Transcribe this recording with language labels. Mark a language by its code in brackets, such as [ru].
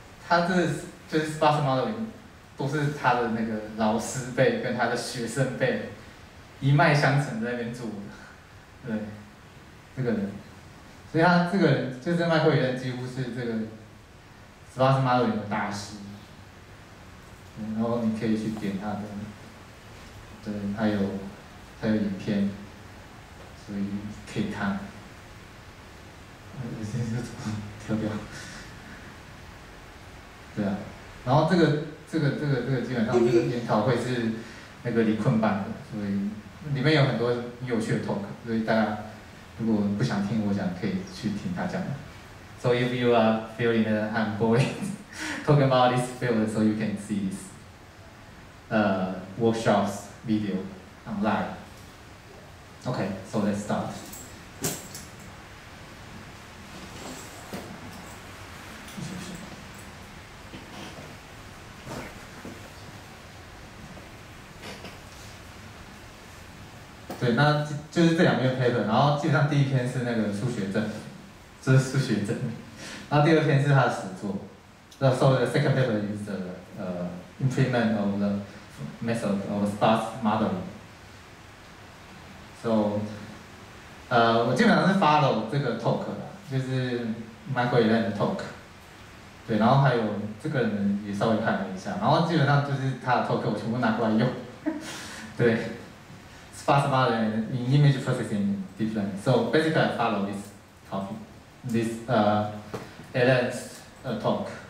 [zh] 他这就是 Sparse Modeling， 都是他的那个老师辈跟他的学生辈一脉相承在那边做的，对，这个人，所以他这个人就是麦克伊恩，几乎是这个 Sparse Modeling 的大师，然后你可以去点他的，对，他有影片，所以可以看，这是怎么跳掉？对啊，然后这个基本上这个研讨会是那个李坤办的，所以里面有很多有趣的 talk， 所以大家如果不想听我讲，可以去听他讲的。 [en] So if you are feeling I'm boring talking about this field, so you can see this workshops video online. Okay, so let's start. [zh] 对，那就是这两篇 paper， 然后基本上第一篇是那个数学证明，这、就是数学证明，然后第二篇是他的实作，那 [en] so the second paper is the implement of the method of sparse modeling. [zh] So, 我基本上是 follow 这个 talk 啦，就是 Michael Yelan 的 talk。对，然后还有这个人也稍微看了一下，然后基本上就是他的 talk 我全部拿过来用。 [en] 对 ，sparse modeling in image processing deep learning. So basically, I follow this topic, this Yelan's talk.